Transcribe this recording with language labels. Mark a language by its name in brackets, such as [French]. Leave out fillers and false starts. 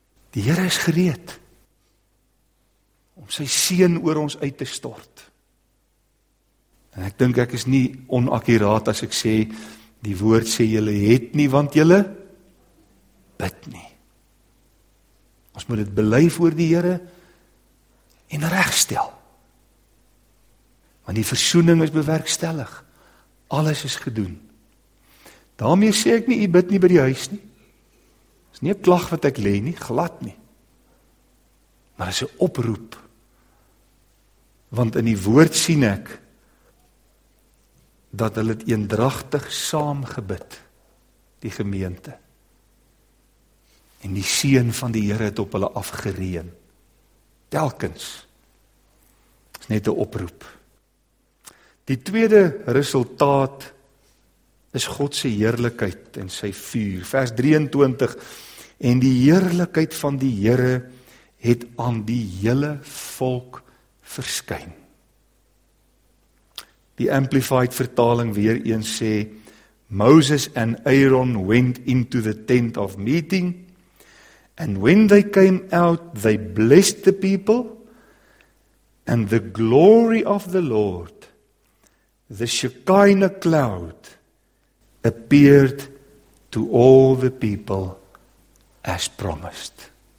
[Afrikaans] Die Here is gereed om sy seën oor ons uit te stort. En ek dink ek is nie onakkuraat as ek sê die woord sê julle het nie want julle bid nie. Ons moet dit bely voor die Here en regstel. Want die versoening is bewerkstellig. Alles is gedoen. Daarmee sê ek nie, u bid nie by die huis nie. Is nie 'n klag wat ek lê nie, glad nie. Maar is 'n oproep. Want in die woord sien ek, dat hulle het eendragtig saam gebid, die gemeente. En die seën van die Here het op hulle afgereën. Telkens. Is net 'n oproep. Die tweede resultaat, is God se heerlikheid en sy vuur. Vers 23, en die heerlikheid van die Here het aan die hele volk verskyn. Die Amplified vertaling weer eens sê, [English] Moses and Aaron went into the tent of meeting, and when they came out, they blessed the people, and the glory of the Lord, the Shekinah cloud, appeared to all the people as promised.